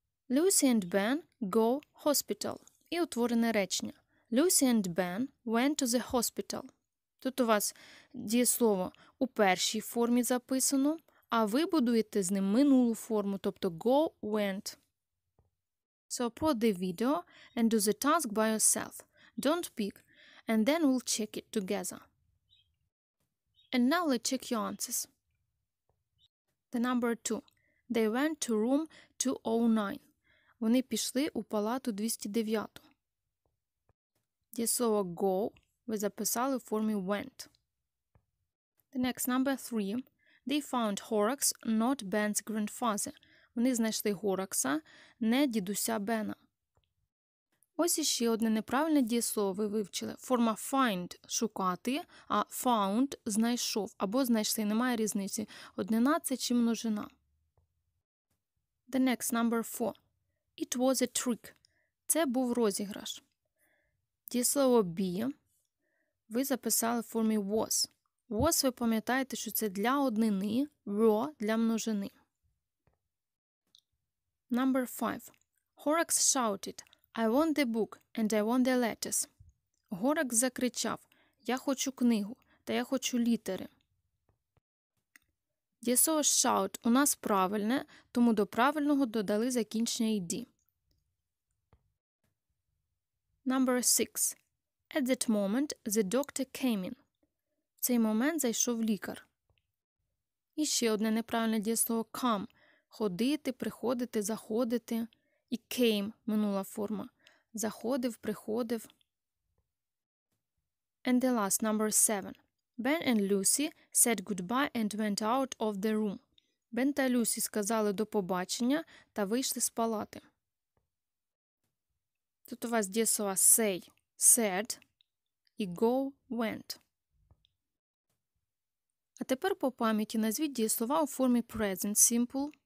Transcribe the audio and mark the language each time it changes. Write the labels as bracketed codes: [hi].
[en] Lucy and Ben go hospital. [uk] І утворене речення. [en] Lucy and Ben went to the hospital. [uk] Тут у вас дієслово у першій формі записано, а ви будуєте з ним минулу форму, тобто go, went. [en] So, pause the video and do the task by yourself. Don't peek. And then we'll check it together. And now let's check your answers. The number 2. They went to room 209. [uk] Вони пішли у палату 209. Дієслово go ви записали в формі went. [en] The next number 3. They found Horax, not Ben's grandfather. [uk] Вони знайшли Хоракса, не дідуся Бена. Ось іще одне неправильне дієслово ви вивчили. Форма find – шукати, а found – знайшов або знайшли. Немає різниці. Однина – це чи множина. [en] The next number 4. It was a trick. [uk] Це був розіграш. Дієслово be ви записали в формі was. Was ви пам'ятаєте, що це для однини, were – для множини. [en] Number 5. Horax shouted, I want the book and I want the letters. [uk] Horax закричав, я хочу книгу та я хочу літери. Дієслово shout у нас правильне, тому до правильного додали закінчення ed. [en] Number 6. At that moment the doctor came in. [uk] В цей момент зайшов лікар. І ще одне неправильне дієслово come. Ходити, приходити, заходити. І came – минула форма. Заходив, приходив. [en] And the last, number 7. Ben and Lucy said goodbye and went out of the room. [uk] Ben та Lucy сказали до побачення та вийшли з палати. Тут у вас дієслова say – said і go – went. А тепер по пам'яті назвіть дієслова у формі present simple.